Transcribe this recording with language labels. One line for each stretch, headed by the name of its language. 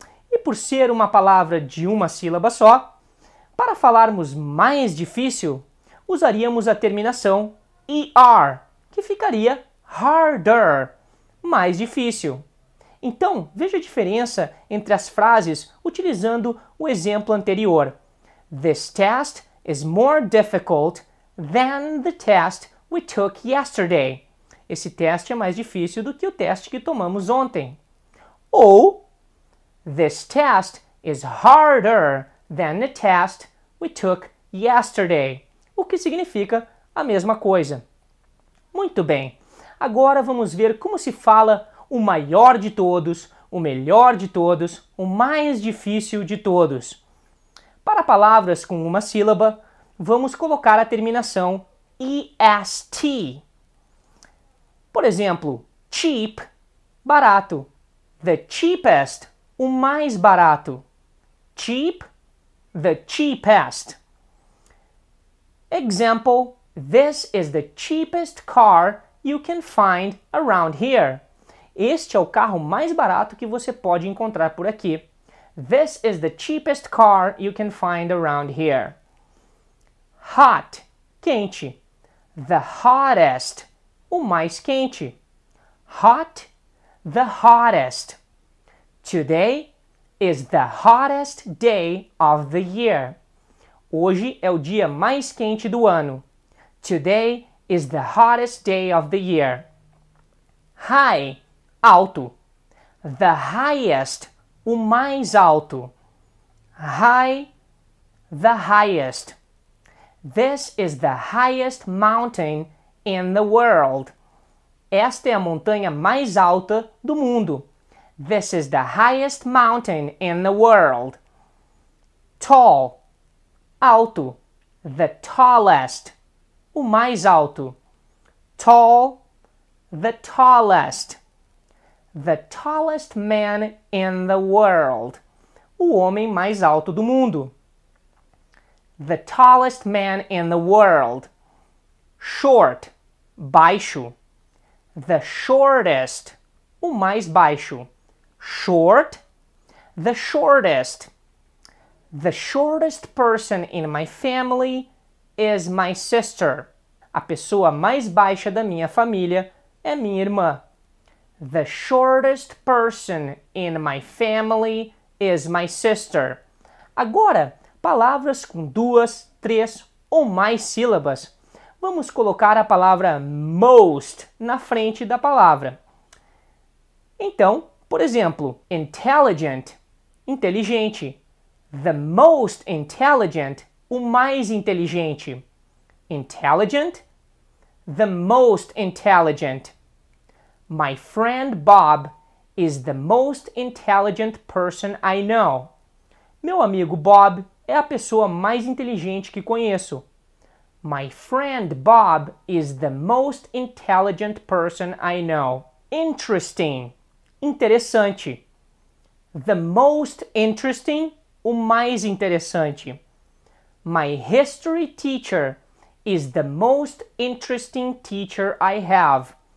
Portuguese: E por ser uma palavra de uma sílaba só, para falarmos mais difícil, usaríamos a terminação ER, que ficaria harder, mais difícil. Então, veja a diferença entre as frases utilizando o exemplo anterior.
English: This test is more difficult than the test we took yesterday.
Portuguese: Esse teste é mais difícil do que o teste que tomamos ontem.
English: Ou, this test is harder than the test we took yesterday.
Portuguese: O que significa a mesma coisa. Muito bem, agora vamos ver como se fala o maior de todos, o melhor de todos, o mais difícil de todos. Para palavras com uma sílaba, vamos colocar a terminação EST. Por exemplo, cheap, barato. The cheapest, o mais barato.
English: Cheap, the cheapest. Example, this is the cheapest car you can find around here.
Portuguese: Este é o carro mais barato que você pode encontrar por aqui.
English: This is the cheapest car you can find around here.
Portuguese: Hot, quente. The hottest, o mais quente.
English: Hot, the hottest. Today is the hottest day of the year.
Portuguese: Hoje é o dia mais quente do ano.
English: Today is the hottest day of the year. High, alto. The highest, o mais alto. High, the highest. This is the highest mountain in the world.
Portuguese: Esta é a montanha mais alta do mundo.
English: This is the highest mountain in the world.
Portuguese: Tall, alto. The tallest, o mais alto.
English: Tall, the tallest. The tallest man in the world.
Portuguese: O homem mais alto do mundo. The tallest man in the world. Short, baixo. The shortest, o mais baixo.
English: Short, the shortest. The shortest person in my family is my sister.
Portuguese: A pessoa mais baixa da minha família é minha irmã.
English: The shortest person in my family is my sister.
Portuguese: Agora, palavras com duas, três ou mais sílabas. Vamos colocar a palavra most na frente da palavra. Então, por exemplo, intelligent, inteligente. The most intelligent, o mais inteligente.
English: Intelligent, the most intelligent. My friend Bob is the most intelligent person I know.
Portuguese: Meu amigo Bob é a pessoa mais inteligente que conheço.
English: My friend Bob is the most intelligent person I know.
Portuguese: Interesting, interessante. The most interesting, o mais interessante.
English: My history teacher is the most interesting teacher I have.